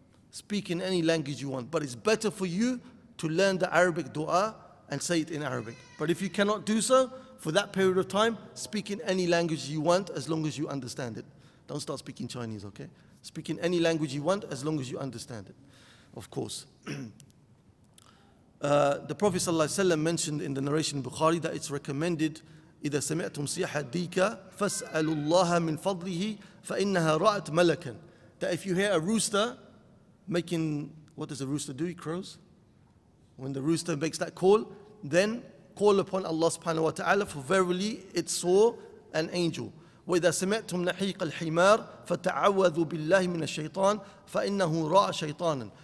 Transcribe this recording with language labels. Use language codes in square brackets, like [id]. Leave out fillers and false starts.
[en] Speak in any language you want. But it's better for you to learn the Arabic dua and say it in Arabic. But if you cannot do so, for that period of time, speak in any language you want as long as you understand it. Don't start speaking Chinese, okay? Speak in any language you want as long as you understand it, of course. The Prophet ﷺ mentioned in the narration in Bukhari that it's recommended [ar] إذا سمعتم صيحة ديكا فاسألوا الله من فضله فإنها رأت ملكا. [en] That if you hear a rooster making, what does a rooster do? He crows. When the rooster makes that call, then call upon Allah subhanahu wa ta'ala, for verily it saw an angel. [ar] وإذا سمعتم نحيق الحمار فتعوذوا بالله من الشيطان فإنه رأى شيطانا.